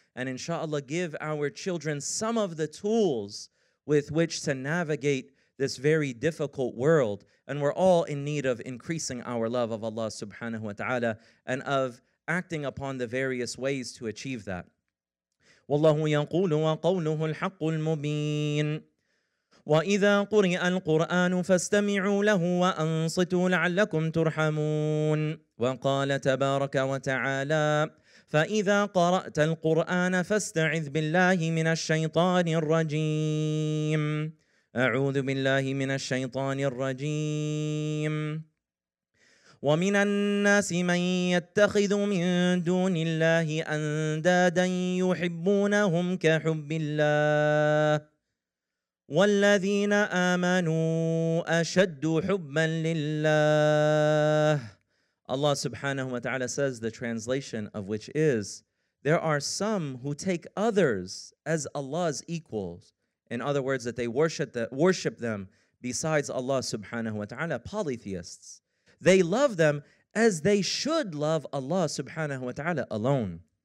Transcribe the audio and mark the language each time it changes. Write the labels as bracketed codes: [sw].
[en] And inshallah, give our children some of the tools with which to navigate this very difficult world. And we're all in need of increasing our love of Allah subhanahu wa ta'ala and of acting upon the various ways to achieve that. [ar] وَاللَّهُ يَقُولُ وَقَوْلُهُ الْحَقُّ الْمُبِينُ وَإِذَا قُرِئَ الْقُرْآنُ فَاسْتَمِعُوا لَهُ وَأَنصِتُوا لَعَلَّكُمْ تُرْحَمُونَ وَقَالَ تَبَارَكَ وَتَعَالَى فَإِذَا قَرَأْتَ الْقُرْآنَ فَاسْتَعِذْ بِاللَّهِ مِنَ الشَّيْطَانِ الرَّجِيمِ أعوذ بالله من الشيطان الرجيم ومن الناس من يتخذ من دون الله أندادا يحبونهم كحب الله والذين آمنوا أشد حبا لله. [en] Allah subhanahu wa ta'ala says, the translation of which is, there are some who take others as Allah's equals. In other words, that they worship them besides Allah subhanahu wa ta'ala, polytheists. They love them as they should love Allah subhanahu wa ta'ala alone.